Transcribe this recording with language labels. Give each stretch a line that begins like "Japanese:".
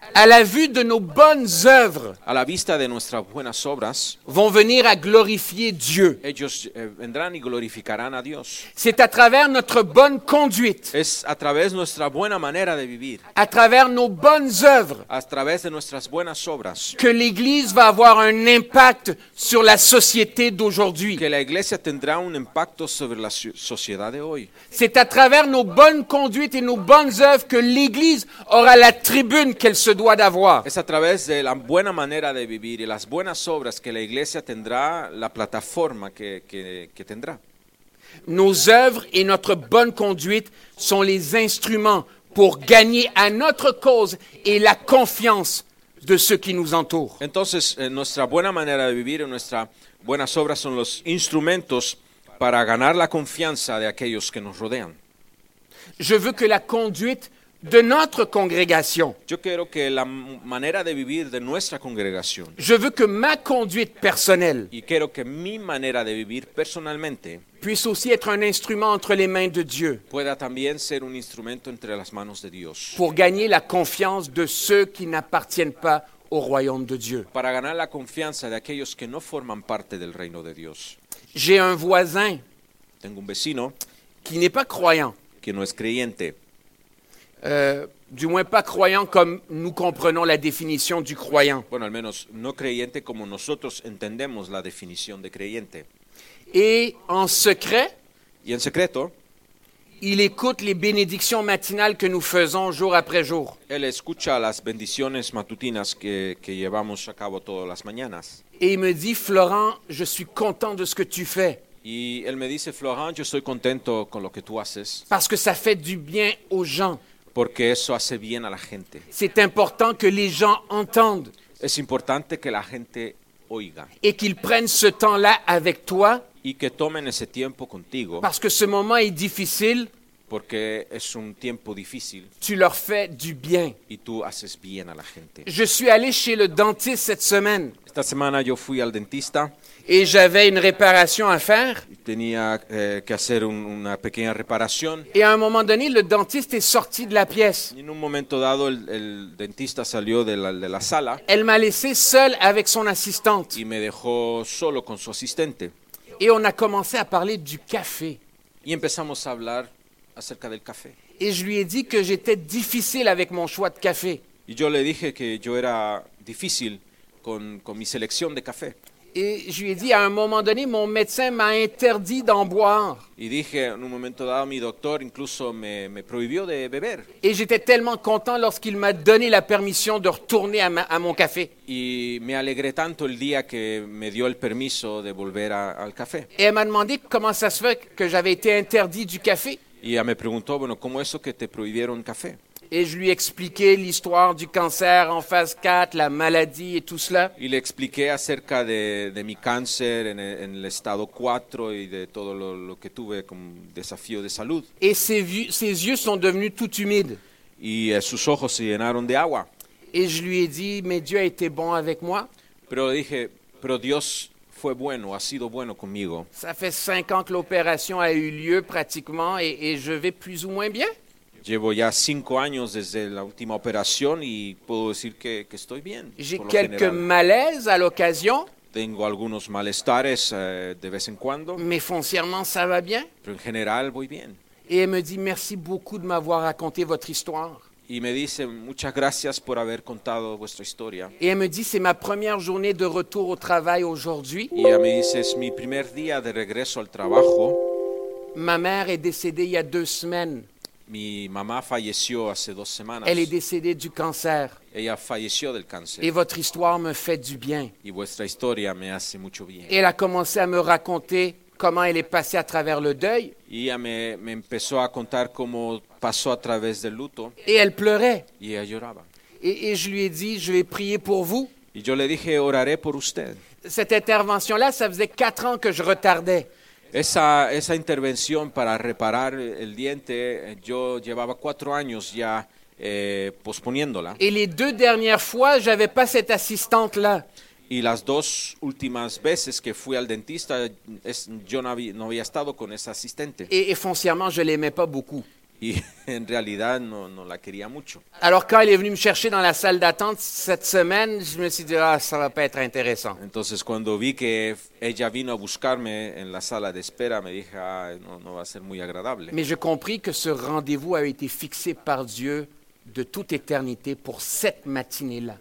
French: à la vue de nos bonnes œuvres,
Spanish: a la vista de nuestras buenas obras,
French: vont venir à glorifier Dieu.
Spanish: Ellos vendrán y glorificarán a Dios.
French: C'est à travers notre bonne conduite.
Spanish: Es a través de nuestra buena manera de vivir.
French: À travers nos bonnes œuvres.
Spanish: A través de nuestras buenas obras.
French: Que l'Église va avoir un impact sur la société d'aujourd'hui.
Spanish: Que la iglesia tendrá un impacto sobre la sociedad de hoy.
French: C'est à travers nos bonnes conduites et nos bonnes œuvres que l'Église aura la tribune qu'elle se doit d'avoir.
Spanish: Es a través de la buena manera de vivir y las buenas obras que la iglesia tendrá la plataforma que tendrá.
French: Nos œuvres et notre bonne conduite sont les instruments pour gagner à notre cause et la confiance de ceux qui nous entourent.
Spanish: Entonces, nuestra buena manera de vivir y nuestras buenas obras son los instrumentos para ganar la confianza de aquellos que nos rodean.
French: Je veux que la conduite de notre congrégation.
Spanish: Yo quiero que la manera de vivir de nuestra congregación.
French: Je veux que ma conduite personnelle.
Spanish: Y quiero que mi manera de vivir personalmente
French: puisse aussi être un instrument entre les mains de Dieu.
Spanish: Pueda también ser un instrumento entre las manos de Dios.
French: Pour gagner la confiance de ceux qui n'appartiennent pas au royaume de Dieu.
Spanish: Para ganar la confianza de aquellos que no forman parte del reino de Dios.
French: J'ai un voisin.
Spanish: Tengo un vecino
French: qui n'est pas croyant.
Spanish: Que no es creyente.
French: Du moins pas croyant comme nous comprenons la définition du croyant.
Spanish: Bueno, al menos no creyente como nosotros entendemos la definición de creyente.
French: Et en secret,
Spanish: y en secreto,
French: il écoute les bénédictions matinales que nous faisons jour après jour.
Spanish: Él escucha las bendiciones matutinas que llevamos a cabo todas las mañanas.
French: Et il me dit, Florent, je suis content de ce que tu fais.
Spanish: Y él me dice, Florent, yo estoy contento con lo que tú haces.
French: Parce que ça fait du bien aux gens.
Spanish: Porque eso hace bien a la gente.
French: C'est important que les gens entendent.
Spanish: Es importante que la gente oiga.
French: Et qu'ils prennent ce temps-là avec toi.
Spanish: Y que tomen ese tiempo contigo.
French: Parce que ce moment est difficile.
Spanish: Porque es un tiempo difícil.
French: Tu leur fais du bien.
Spanish: Y tú haces bien a la gente.
French: Je suis allé chez le dentiste cette semaine.
Spanish: Esta semana yo fui al dentista.
French: Et j'avais une réparation à faire.
Spanish: Tenía que hacer una pequeña reparación.
French: Et à un moment donné, le dentiste est sorti de la pièce.
Spanish: En un momento dado, el dentista salió de la sala.
French: Elle m'a laissé seul avec son assistante.
Spanish: Y me dejó solo con su asistente.
French: Et on a commencé à parler du café.
Spanish: Y empezamos a hablar acerca del café.
French: Et je lui ai dit que j'étais difficile avec mon choix de café.
Spanish: Y yo le dije que yo era difícil con mi selección de café.
French: Et je lui ai dit, à un moment donné, mon médecin m'a interdit d'en boire.
Spanish: Y dije, en un momento dado, mi doctor incluso me prohibió de beber.
French: Et j'étais tellement content lorsqu'il m'a donné la permission de retourner à mon café.
Spanish: Y me alegré tanto el día que me dio el permiso de volver al café.
French: Et elle m'a demandé comment ça se fait que j'avais été interdit du café.
Spanish: Y ella me preguntó, bueno, ¿cómo es que te prohibieron café?
French: Et je lui expliquais l'histoire du cancer en phase 4, la maladie et tout cela. Il expliquait
Spanish: acerca de mi cáncer en el estado 4 y de todo lo que tuve como desafío de salud.
French: Et ses yeux sont devenus tout humides.
Spanish: Y sus ojos se llenaron de agua.
French: Et je lui ai dit, mais Dieu a été bon avec moi.
Spanish: Pero dije, pero Dios fue bueno, ha sido bueno conmigo.
French: Ça fait 5 ans que l'opération a eu lieu pratiquement et je vais plus ou moins bien.
Spanish: Llevo ya 5 años desde la última operación y puedo decir que estoy bien.
French: J'ai quelques malaises à l'occasion.
Spanish: Tengo algunos malestares de vez en cuando.
French: Mais foncièrement, ça va bien.
Spanish: Pero en general voy bien.
French: Et elle me dit merci beaucoup de m'avoir raconté votre histoire.
Spanish: Y me dice muchas gracias por haber contado vuestra historia.
French: Et elle me dit c'est ma première journée de retour au travail aujourd'hui.
Spanish: Y ella me dice es mi primer día de regreso al trabajo.
French: Ma mère est décédée il y a 2 semaines.
Spanish: Mi mamá falleció hace 2 semanas.
French: Elle est décédée du cancer.
Spanish: Ella falleció del cáncer.
French: Et votre histoire me fait du bien.
Spanish: Y vuestra historia me hace mucho bien.
French: Et elle a commencé à me raconter comment elle est passée à travers le deuil.
Spanish: Y ella me empezó a contar cómo pasó a través del luto.
French: Et elle pleurait.
Spanish: Y ella lloraba.
French: Et je lui ai dit, je vais prier pour vous.
Spanish: Y yo le dije, oraré por usted.
French: Cette intervention-là, ça faisait 4 ans que je retardais.
Spanish: Esa intervención para reparar el diente, yo llevaba 4 años ya posponiéndola.
French: Et les 2 dernières fois, j'avais pas cette assistante là.
Spanish: Y las 2 últimas veces que fui al dentista, yo no había estado con esa asistente.
French: Et foncièrement, je l'aimais pas beaucoup.
Spanish: Y en realidad no, no la quería mucho.
French: Alors quand il est venu me chercher dans la salle d'attente cette semaine, je me suis dit ah, ça va pas être intéressant.
Spanish: Entonces cuando vi que ella vino a buscarme en la sala de espera, me dije ah, no, no va a ser muy agradable.
French: Mais j'ai compris que ce rendez-vous avait été fixé par Dieu de toute éternité pour cette matinée-là.